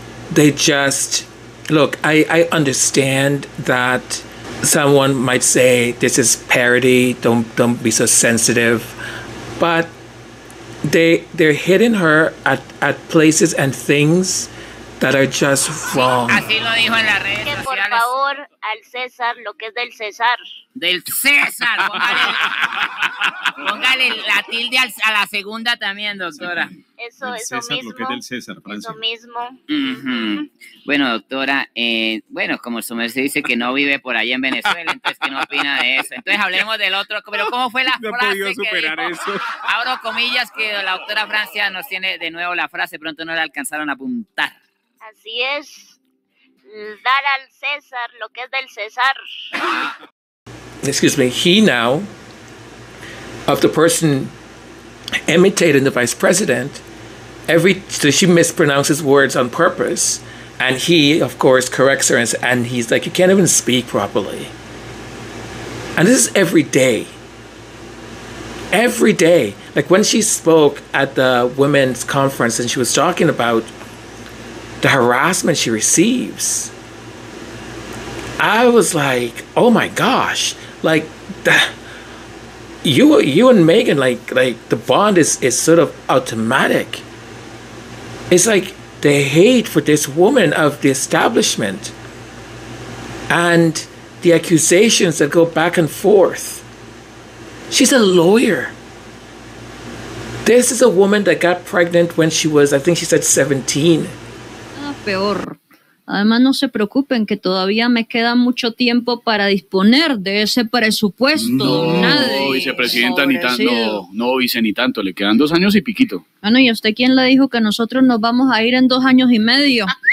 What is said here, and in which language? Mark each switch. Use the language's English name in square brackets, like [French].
[English] They just... Look, I understand that someone might say, this is parody, don't be so sensitive. But they're hitting her at places and things that are just wrong. [Spanish] Así lo dijo en la red. Que por favor, al César, lo que es del César. Del César, póngale la tilde a la segunda también, doctora. Eso mismo. Uh-huh. Bueno, doctora, bueno, como su merced dice que no vive por ahí en Venezuela, entonces, ¿qué no opina de eso? Entonces, hablemos del otro. Pero, ¿cómo fue la frase? No he podido superar eso. Abro comillas, que la doctora Francia nos tiene de nuevo la frase, pronto no la alcanzaron a apuntar. Así es. Dar al César lo que es del César. [English] Excuse me, he now, of the person imitating the vice president, so she mispronounces words on purpose, and he, of course, corrects her, and he's like, you can't even speak properly. And this is every day. Every day. Like when she spoke at the women's conference and she was talking about the harassment she receives, I was like, oh my gosh. Like, you and Meghan, like the bond is sort of automatic. It's like the hate for this woman of the establishment and the accusations that go back and forth. She's a lawyer. This is a woman that got pregnant when she was, I think she said, 17. [Spanish] Peor. Además, no se preocupen que todavía me queda mucho tiempo para disponer de ese presupuesto. No, vicepresidenta, ni tanto, le quedan 2 años y piquito. Bueno, ¿y usted quién le dijo que nosotros nos vamos a ir en 2 años y medio?